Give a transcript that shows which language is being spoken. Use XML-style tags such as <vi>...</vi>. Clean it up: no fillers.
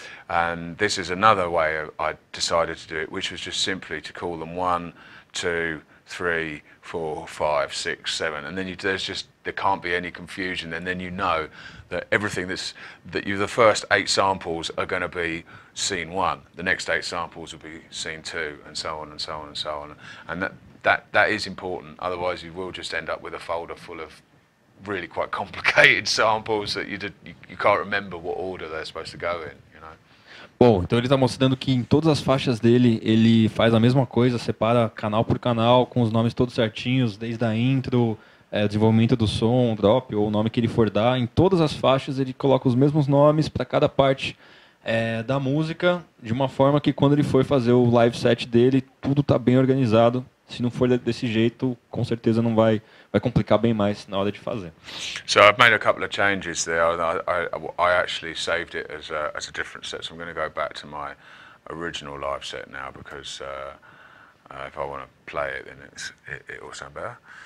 <en>And this is another way I decided to do it, which was just simply to call them 1, 2, 3, 4, 5, 6, 7, and then there can't be any confusion, and then you know that everything the first 8 samples are going to be scene 1, the next 8 samples will be scene 2, and so on and so on and so on, and that is important. Otherwise you will just end up with a folder full of really quite complicated samples that you can't remember what order they're supposed to go in.</en> <pt>Bom, então ele está mostrando que em todas as faixas dele ele faz a mesma coisa, separa canal por canal, com os nomes todos certinhos, desde a intro, desenvolvimento do som, drop, ou o nome que ele for dar. Em todas as faixas ele coloca os mesmos nomes para cada parte da música, de uma forma que quando ele for fazer o live set dele, tudo está bem organizado. Se não for desse jeito, com certeza não vai complicar bem mais na hora de fazer.</pt> <en>So I've made a couple of changes there. I actually saved it as a different set. So I'm going to go back to my original live set now, because if I want to play it, then it will sound better.</en>